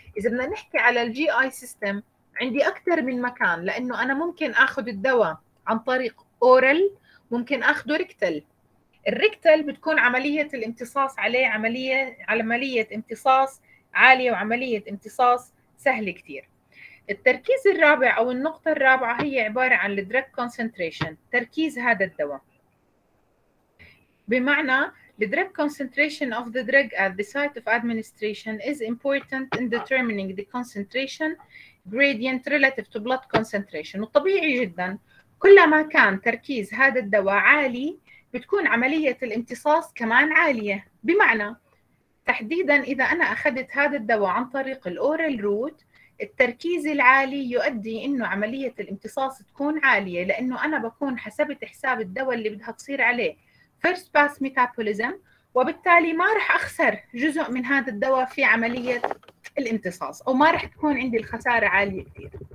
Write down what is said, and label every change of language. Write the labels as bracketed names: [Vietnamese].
[Arabic] إذا بدنا نحكي على GI system، عندي أكثر من مكان، لأنه أنا ممكن أخذ الدواء عن طريق oral، ممكن أخذه rectal. الريكتل بتكون عملية الامتصاص عليه عملية امتصاص عالية وعملية امتصاص سهلة كتير. التركيز الرابع أو النقطة الرابعة هي عبارة عن الدراج كونسنتريشن، تركيز هذا الدواء. بمعنى الدراج كونسنتريشن [English] of the drug at the site of administration is important in determining the concentration gradient relative to blood concentration. [Arabic] وطبيعي جداً كلما كان تركيز هذا الدواء عالي بتكون عملية الامتصاص كمان عالية. بمعنى تحديداً إذا أنا أخذت هذا الدواء عن طريق الأورال روت، التركيز العالي يؤدي إنه عملية الامتصاص تكون عالية، لأنه أنا بكون حسبت حساب الدواء اللي بدها تصير عليه First Pass Metabolism، وبالتالي ما رح أخسر جزء من هذا الدواء في عملية الامتصاص، أو ما رح تكون عندي الخسارة عالية كثير.